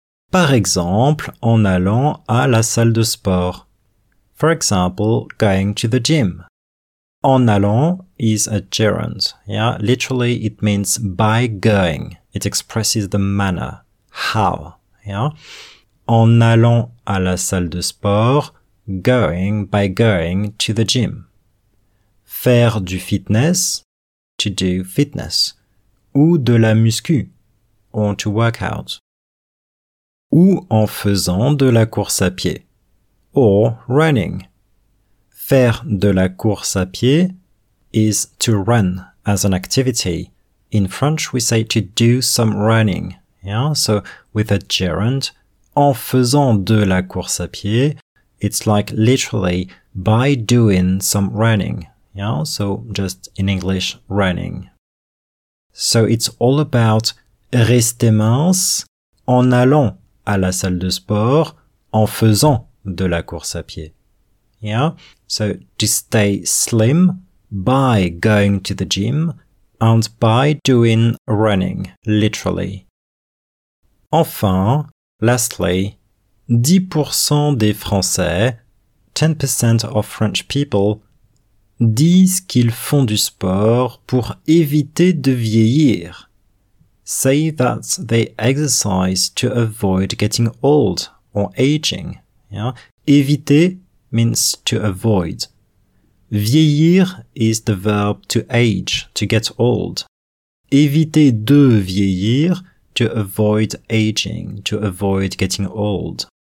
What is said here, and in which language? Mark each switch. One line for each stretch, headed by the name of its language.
French: Par exemple, en allant à la salle de sport.
English: For example, going to the gym. En allant is a gerund. Yeah, literally it means by going. It expresses the manner. How. Yeah.
French: En allant à la salle de sport,
English: going by going to the gym.
French: Faire du fitness,
English: to do fitness.
French: Ou de la muscu,
English: or to work out.
French: Ou en faisant de la course à pied,
English: or running.
French: Faire de la course à pied
English: is to run as an activity. In French, we say to do some running. Yeah, so with a gerund,
French: en faisant de la course à pied,
English: it's like literally by doing some running. Yeah, so just in English, running. So it's all about
French: rester mince en allant à la salle de sport, en faisant de la course à pied.
English: Yeah? So, to stay slim by going to the gym and by doing running, literally.
French: Enfin, lastly, 10% des Français,
English: 10% of French people,
French: disent qu'ils font du sport pour éviter de vieillir.
English: Say that they exercise to avoid getting old or aging. Yeah? Éviter means to avoid. Vieillir is the verb to age, to get old.
French: Éviter de vieillir,
English: to avoid aging, to avoid getting old.